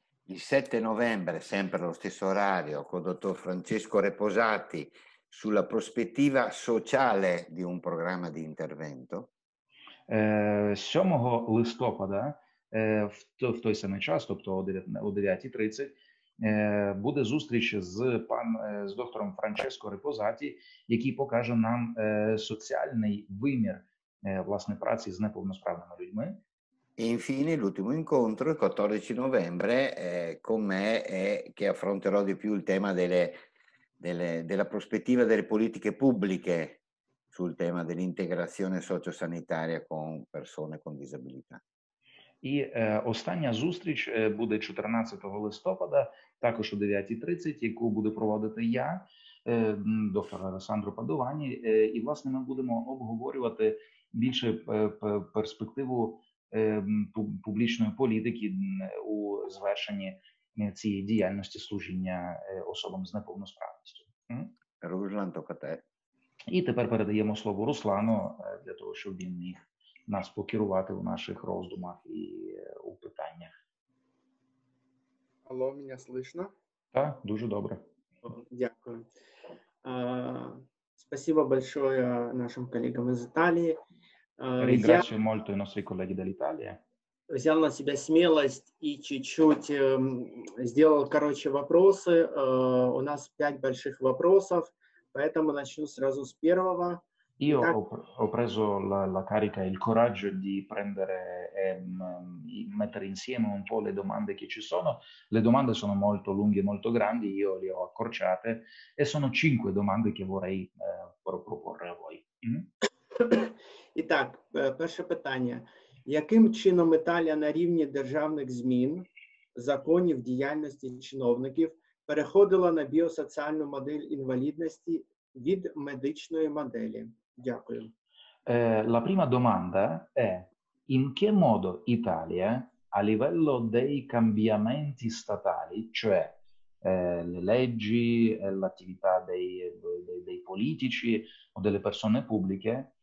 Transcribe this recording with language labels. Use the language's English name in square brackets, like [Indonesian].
[Italian] Il 7 novembre, sempre allo stesso orario, con il dottor Francesco Reposati, sulla prospettiva sociale di un programma di intervento. [Ukrainian] 7 листопада, в той самий час, тобто о 9:30, буде зустріч з доктором Франческо Репозаті, який покаже нам соціальний вимір власне праці з неповносправними людьми. [Italian] E infine l'ultimo incontro, il 14 novembre, con me, che affronterò di più il tema della prospettiva delle politiche pubbliche sul tema dell'integrazione sociosanitaria con persone con disabilità. [Ukrainian] І остання зустріч буде 14 листопада, також о 9:30, яку буде проводити я, доктор Алесандро Падовані, і, власне, ми будемо обговорювати більше перспективу публічної політики у звершенні цієї діяльності служіння особам з неповносправністю. Руслан, тільки те. І тепер передаємо слово Руслану для того, щоб він міг нас покерувати в наших роздумах і у питаннях. [Russian] Алло, [Ukrainian] мене [Russian] слышно? [Ukrainian] Так, дуже добре. Дякую. [Russian] Спасибо большое нашим колегам из Италії. [Italian] Ringrazio molto i nostri colleghi dall'Italia. [Russian] Взял на себя смелость и чуть-чуть сделал, короче, вопросы. У нас 5 больших вопросов, поэтому начну сразу с первого. [Italian] Io [Russian] Итак, [Italian] ho preso la carica e il coraggio di prendere e mettere insieme un po' le domande che ci sono. Le domande sono molto lunghe e molto grandi, io le ho accorciate e sono 5 domande che vorrei proporre a voi. [Russian] Итак, [Ukrainian] перше питання. Яким чином Італія на рівні державних змін, законів, діяльності чиновників переходила на біосоціальну модель інвалідності від медичної моделі? Дякую. [Italian] La prima domanda è: in che modo Italia, a livello dei cambiamenti statali, cioè le leggi, l'attività dei politici o delle persone pubbliche,